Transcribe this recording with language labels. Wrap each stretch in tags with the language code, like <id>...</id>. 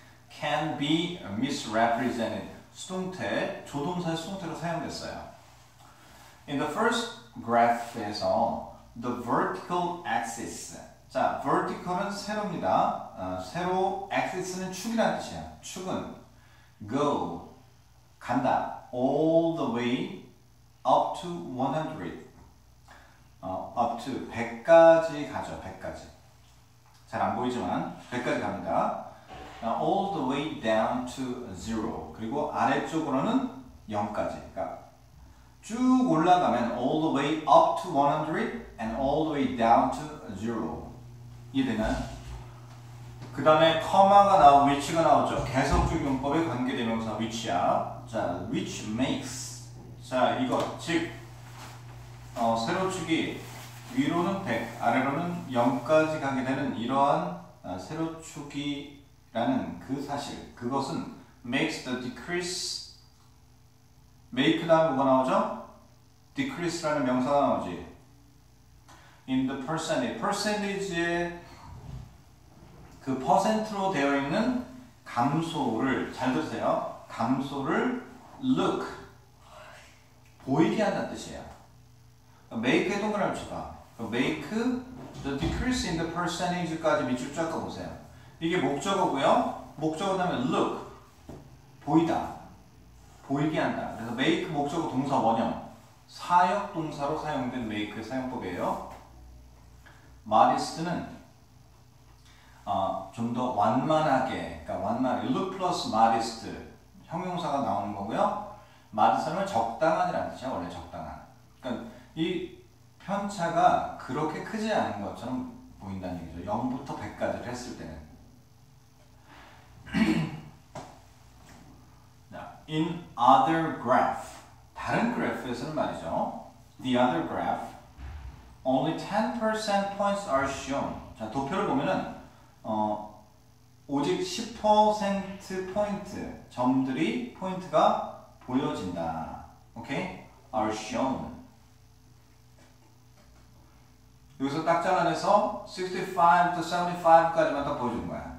<en>can be misrepresented,</en> <ko>수동태, 조동사 수동태로 사용됐어요.</ko> <en>In the first graph에서 the vertical axis.</en> <ko>자, vertical은 세로입니다. 세로, axis는 축이라는 뜻이야. 축은</ko> <en>go,</en> <ko>간다,</ko> <en>all the way up to 100.</en> <ko>up to 100까지 가죠, 100까지. 잘 안 보이지만 100까지 갑니다.</ko> <en>all the way down to 0.</en> <ko>그리고 아래쪽으로는 0까지. 그러니까 쭉 올라가면</ko> <en>all the way up to 100 and all the way down to 0.</en> <ko>이해되나요? 그 다음에 comma가 나오고 which가 나오죠. 계속적 문법의 관계대명사 which야.</ko> <en>자, which makes.</en> <ko>자, 이거 즉 세로축이 위로는 100, 아래로는 0까지 가게 되는 이러한 세로축이라는 그 사실, 그것은</ko> <en>makes the decrease,</en> <ko>make 다음 뭐가 나오죠? decrease라는 명사가 나오지.</ko> <en>in the percentage,</en> <ko>percentage의 그 퍼센트로 되어 있는 감소를, 잘 들으세요. 감소를 look, 보이게 한다는 뜻이에요. make의 동그라미 쳐봐.</ko> <en>make the decrease in the percentage까지</en> <ko>밑줄 쫙 가보세요. 이게 목적어고요. 목적어다면 look, 보이다, 보이게 한다. 그래서 make 목적어 동사 원형, 사역 동사로 사용된 make의 사용법이에요. modest는 좀 더 완만하게, 그러니까 완만하게</ko> <en>look plus modest</en> <ko>형용사가 나오는 거고요. modest는 적당한이라는 뜻이야. 원래 적당한. 그러니까 이 편차가 그렇게 크지 않은 것처럼 보인다는 얘기죠. 0부터 100까지 했을 때는.</ko> <en>In other graph,</en> <ko>다른 그래프에서는 말이죠.</ko> <en>The other graph, only 10% points are shown.</en> <ko>자, 도표를 보면은 오직 10% 포인트, 점들이 포인트가 보여진다.</ko> <en>Okay? Are shown.</en> <ko>여기서 딱 잘라내서 65 to 75까지만 딱 보여주는 거야.</ko>